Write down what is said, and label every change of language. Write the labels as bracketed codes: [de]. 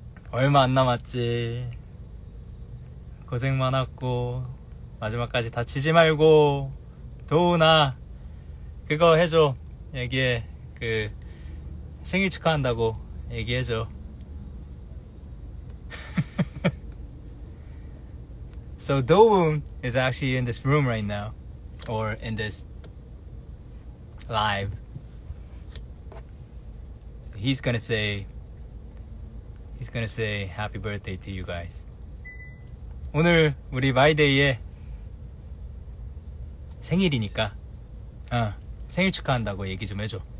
[ko] 얼마 안 남았지. 고생 많았고 마지막까지 다치지 말고 도훈아 그거 해줘. 얘기해. 그 생일 축하한다고 얘기해줘. [en] So Dowoon is actually in this room right now, or in this live. So he's gonna say happy birthday to you guys. [ko] 오늘 우리 마이데이의 생일이니까. 생일 축하한다고 얘기 좀 해줘.